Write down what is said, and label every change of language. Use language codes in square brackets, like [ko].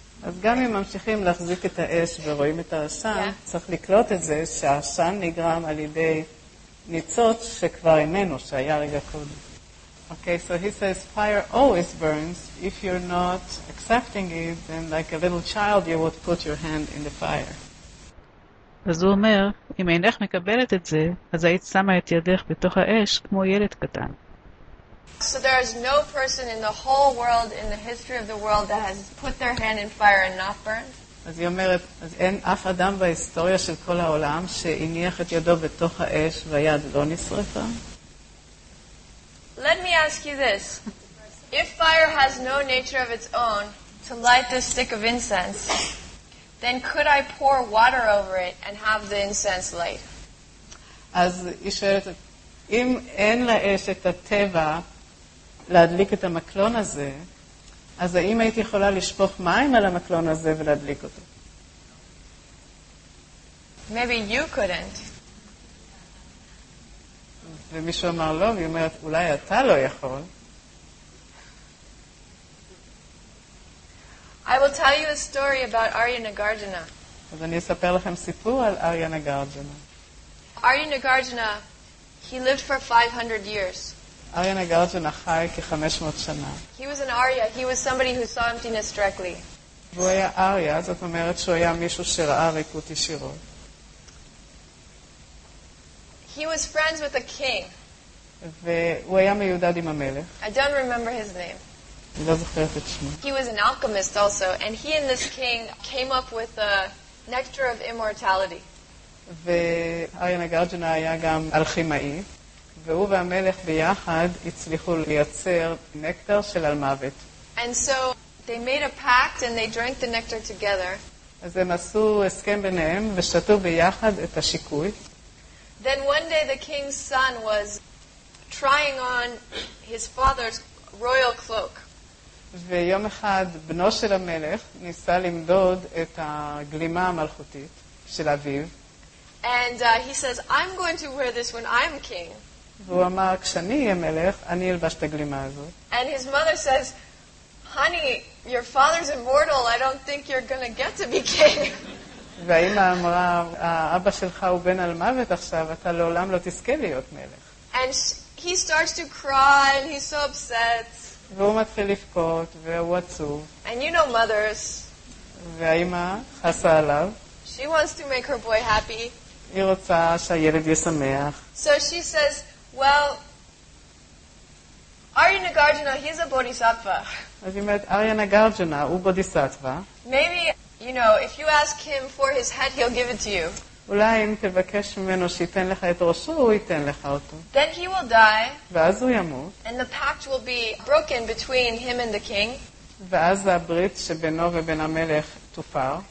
[he] אז גם אם ממשיכים להחזיק את האש ורואים את האשן, yeah. צריך לקלוט את זה שהאשן נגרם על ידי ניצוץ שכבר איננו, שהיה רגע קודם. [en] Okay, so he says, fire always burns. If you're not accepting it, then like a little child, you would put your hand in the fire. [he] אז הוא אומר, אם אינך מקבלת את זה, אז היית שמה את ידך בתוך האש כמו ילד קטן. [en] So there is no person in the whole world, in the history of the world, that has put their hand in fire and not burned. [he] אז היא אומרת, אז אין אף אדם בהיסטוריה של כל העולם שהניח את ידו בתוך האש והיד לא נשרפה? [en] Let me ask you this. If fire has no nature of its own to light this stick of incense, then could I pour water over it and have the incense light? [he] אז היא שואלת, אם אין לאש את הטבע להדליק את המקלון הזה, אז האם היית יכולה לשפוך מים על המקלון הזה ולהדליק אותו? [en] Maybe you couldn't. [he] ומישהו אמר לא, והיא אומרת, אולי אתה לא יכול. [en] I will tell you a story about Arya Nagarjuna. [he] אז אני אספר לכם סיפור על Arya Nagarjuna. [en] Arya Nagarjuna, he lived for 500 years. [he] Arya Nagarjuna חי כ-500 שנה. [en] He was an Arya. He was somebody who saw emptiness directly. [he] והוא היה אריה, זאת אומרת שהוא היה מישהו שראה ריקות ישירות. [en] He was friends with a king. [he] והוא היה מיודד עם המלך. [en] I don't remember his name. [he] אני לא זוכרת את שמו. [en] He was an alchemist also, and he and this king came up with the nectar of immortality. [he] ואריה נגרג'ונה היה גם אלכימאי. והוא והמלך ביחד הצליחו לייצר נקטר של אלמוות. [en] And so they made a pact and they drank the nectar together. [he] אז הם עשו הסכם ביניהם ושתו ביחד את השיקוי. [en] Then one day the king's son was trying on his father's royal cloak. [he] ויום אחד בנו של המלך ניסה למדוד את הגלימה המלכותית של אביו. [en] And he says, I'm going to wear this when I'm king. [he] והוא אמר, כשאני אהיה מלך, אני אלבש את הגלימה הזאת. [en] And his mother says, honey, your father's immortal. I don't think you're going to get to be king. [he] והאימא אמרה, האבא שלך הוא בן על מוות עכשיו, אתה לעולם לא תזכה להיות מלך. [en] And he starts to cry and he's so upset. [he] והוא מתחיל לבכות והוא עצוב. [en] And you know mothers. [he] והאימא חסה עליו. [en] She wants to make her boy happy. [he] היא רוצה שהילד יהיה שמח. [en] So she says, well, Aryanagarjuna, he's a bodhisattva. [he] אז היא אומרת, Aryanagarjuna, הוא בודיסטווה. [en] Maybe, you know, if you ask him for his head, he'll give it to you. [he] אולי אם תבקש ממנו שייתן לך את ראשו, הוא ייתן לך אותו. [en] Then he will die. [he] ואז הוא ימות. [en] And the pact will be broken between him and the king. [he] ואז הברית שבינו ובין המלך תופר.